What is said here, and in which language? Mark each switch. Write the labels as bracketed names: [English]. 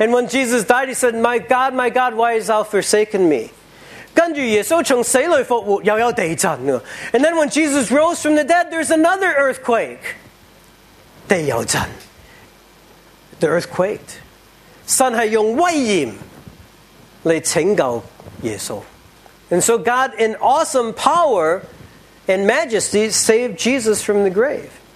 [English] And when Jesus died, he said, my God, why has thou forsaken me? [Chinese] 跟着耶稣从死里复活，又有地震了。 [English] And then when Jesus rose from the dead, there's another earthquake. [Chinese] 地有震。 [English] The earthquake. [Chinese] 神是用威严来拯救耶稣。 [English] And so God, in awesome power and majesty, saved Jesus from the grave.